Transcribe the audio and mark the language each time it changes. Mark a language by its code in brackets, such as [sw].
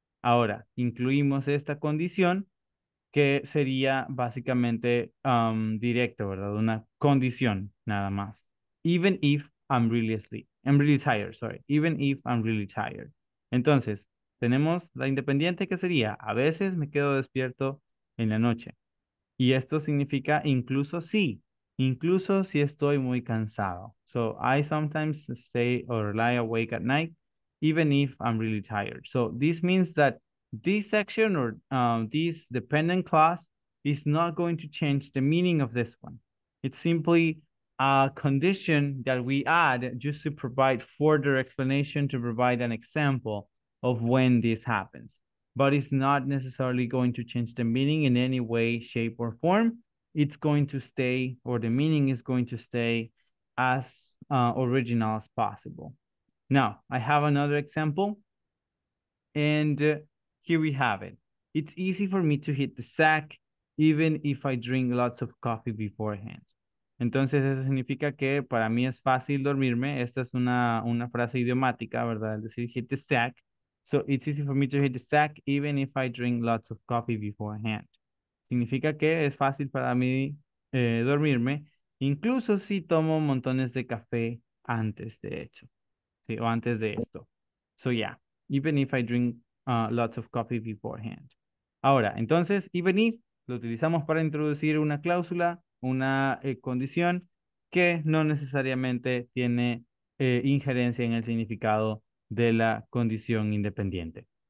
[es] Ahora, incluimos esta condición que sería básicamente directo, ¿verdad? Una condición nada más. [en] Even if I'm really asleep. I'm really tired, sorry. Even if I'm really tired. [es] Entonces, tenemos la independiente que sería a veces me quedo despierto en la noche. Y esto significa incluso si. Incluso si estoy muy cansado. [en] So, I sometimes stay or lie awake at night, even if I'm really tired. So, this means that this section or this dependent clause is not going to change the meaning of this one. It's simply a condition that we add just to provide further explanation, to provide an example of when this happens, but it's not necessarily going to change the meaning in any way, shape, or form. It's going to stay, or the meaning is going to stay as original as possible. Now, I have another example, and here we have it. It's easy for me to hit the sack, even if I drink lots of coffee beforehand. [es] Entonces, eso significa que para mí es fácil dormirme. Esta es una frase idiomática, ¿verdad? Es decir, [en] hit the sack. So, it's easy for me to hit the sack, even if I drink lots of coffee beforehand. [es] Significa que es fácil para mí dormirme, incluso si tomo montones de café antes de hecho. ¿Sí? O antes de esto. [en] So, yeah. Even if I drink lots of coffee beforehand. [es] Ahora, entonces, [en] even if [es] lo utilizamos para introducir una cláusula, una condición que no necesariamente tiene injerencia en el significado de la condición independiente.